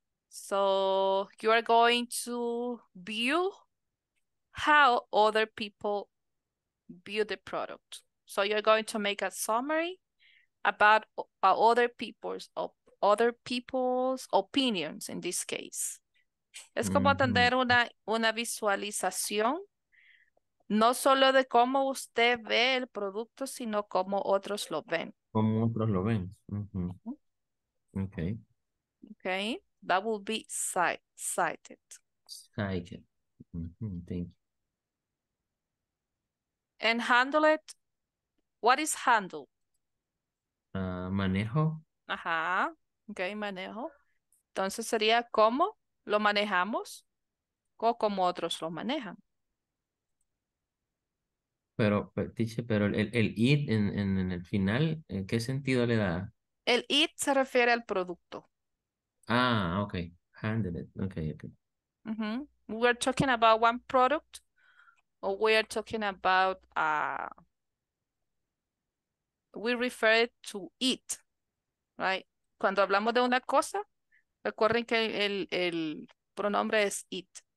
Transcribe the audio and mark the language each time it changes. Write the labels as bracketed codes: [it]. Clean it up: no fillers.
[en] So you are going to view how other people build the product. So you're going to make a summary about other people's opinions in this case. [es] Es como tener una visualización, no solo de cómo usted ve el producto, sino cómo otros lo ven. Cómo otros lo ven. Mm-hmm. Okay. [en] Okay, that will be cited. Cited. Mm-hmm. Thank you. And handle it. What is handle? [es] Manejo. Ajá. Okay, manejo. Entonces sería cómo lo manejamos o cómo otros lo manejan. Pero el it en el final, ¿en qué sentido le da? El it se refiere al producto. [en] Ah, okay. Handle it. Okay. Mm-hmm. We are talking about one product, or we are talking about we refer to it, right? [es] Cuando hablamos de una cosa, recuerden que el pronombre es it.